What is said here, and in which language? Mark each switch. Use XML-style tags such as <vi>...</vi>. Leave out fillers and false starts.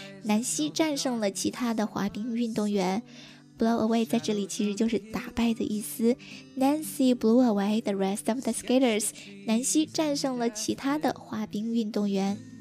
<zh>南希战胜了其他的滑冰运动员。 Blow away 在这里其实就是打败的意思。</zh> <en>Nancy blew away the rest of the skaters.</en> <zh>南希战胜了其他的滑冰运动员。</zh>